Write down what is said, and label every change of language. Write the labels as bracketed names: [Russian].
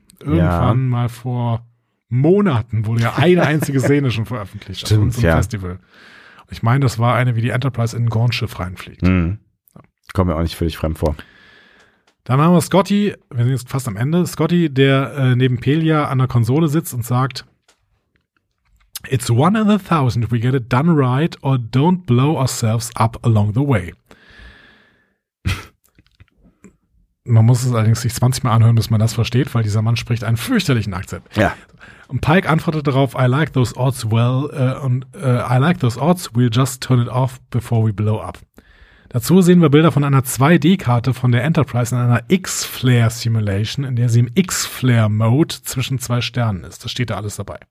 [German] Irgendwann mal vor Monaten wurde ja eine einzige Szene schon veröffentlicht. Stimmt, auf unserem Festival. Ich meine, das war eine, wie die Enterprise in ein Gorn-Schiff reinfliegt. Mhm. Kommt mir auch nicht völlig fremd vor. Dann haben wir Scotty, wir sind jetzt fast am Ende, Scotty, der neben Pelia an der Konsole sitzt und sagt, [English] It's one in a thousand we get it done right or don't blow ourselves up along the way. [German] Man muss es allerdings sich 20 Mal anhören, bis man das versteht, weil dieser Mann spricht einen fürchterlichen Akzent. Ja. Und Pike antwortet darauf, [English] I like those odds well, I like those odds, we'll just turn it off before we blow up. [German] Dazu sehen wir Bilder von einer 2D-Karte von der Enterprise in einer X-Flare-Simulation, in der sie im X-Flare-Mode zwischen zwei Sternen ist. Das steht da alles dabei.